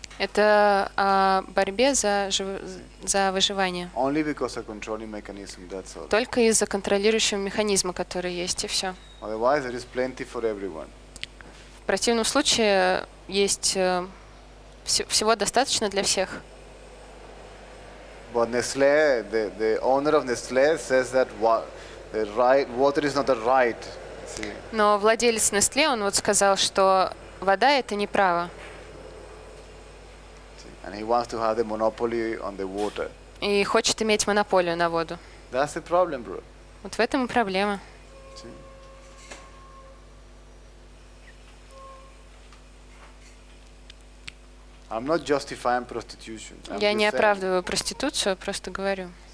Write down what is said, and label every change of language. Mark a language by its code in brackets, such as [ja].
[ru] Это о борьбе за выживание. [en] Only because of controlling mechanism, that's all. [ru] Только из-за контролирующего механизма, который есть, и все. [en] Otherwise, there is plenty for everyone. [ru] В противном случае есть всего достаточно для всех. [en] But Nestlé, the owner of Nestlé says that the right water is not a right. See? [ru] Но владелец Nestlé, он вот сказал, что вода это не право. [en] See? And he wants to have the monopoly on the water. [ru] И хочет иметь монополию на воду. [en] That's the problem, bro. [ru] Вот в этом и проблема. [en] I'm not justifying prostitution. I'm [ru] Я не оправдываю [en] saying. [ru] Проституцию, просто говорю.